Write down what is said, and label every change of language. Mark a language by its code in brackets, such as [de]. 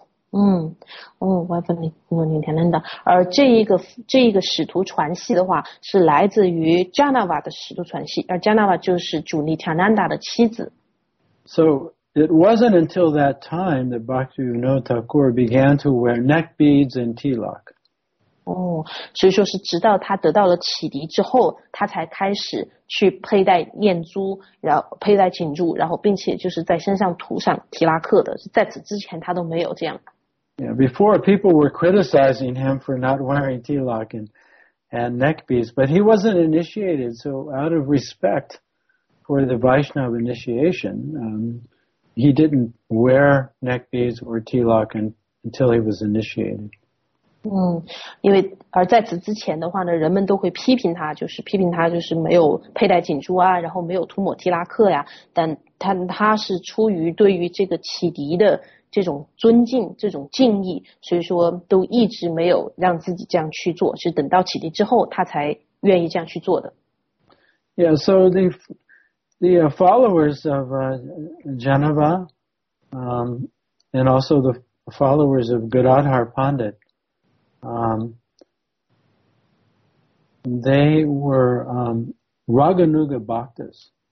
[en] Wife of Lord Nityananda. [zh] 而这一个使徒传系的话是来自于 Janava 的使徒传系，而 Janava 就是主 Nityananda 的妻子。 [en] So,It wasn't until that time that Bhaktivinoda Thakur began to wear neck beads and tilak. [zh] Oh, 所以说是直到他得到了启迪之后，他才开始去佩戴念珠，然后佩戴颈珠，然后并且就是在身上涂上提拉克的。在此之前，他都没有这样。 [en] Yeah, before people were criticizing him for not wearing tilak and neck beads, but he wasn't initiated, so out of respect for the Vaishnava initiation, He didn't wear neck beads or tilak until he was initiated. [zh] 因为而在此之前的话呢，人们都会批评他，就是批评他就是没有佩戴颈珠啊，然后没有涂抹提拉克呀。但他是出于对于这个启迪的这种尊敬、这种敬意，所以说都一直没有让自己这样去做，是等到启迪之后他才愿意这样去做的。 [en] Yeah, so The followers of Janava and also the followers of Gadadhar Pandit, they were Raganuga Bhaktas.